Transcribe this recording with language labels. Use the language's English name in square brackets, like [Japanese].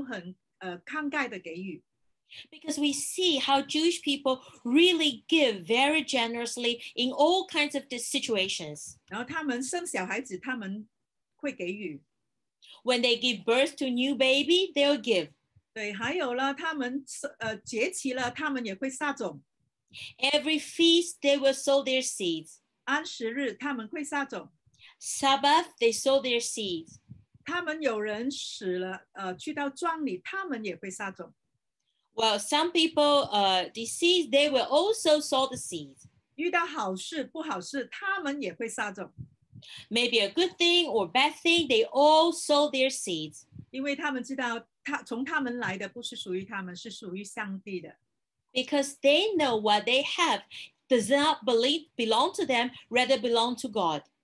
[Chinese] 就是我们看到犹太人，就是他任何的情况，他们都很慷慨的给予。 [English] Because we see how Jewish people really give very generously in all kinds of situations. [Chinese] 然后他们生小孩子，他们会给予。 [English] When they give birth to new baby, they'll give. [Chinese] 对，还有呢，他们节期了，他们也会撒种。 [English] Every feast, they will sow their seeds. [Chinese] 安息日，他们会撒种。 [English] Sabbath, they sow their seeds. [Chinese] 他们有人死了，去到庄里，他们也会撒种。 [English] Well, some people deceased, they will also sow the seeds. [Chinese] 遇到好事不好事，他们也会撒种。 [English] Maybe a good thing or bad thing, they all sow their seeds. [Chinese] 因为他们知道，从他们来的不是属于他们，是属于上帝的。 [English] Because they know what they have does not belong to them, rather belong to God.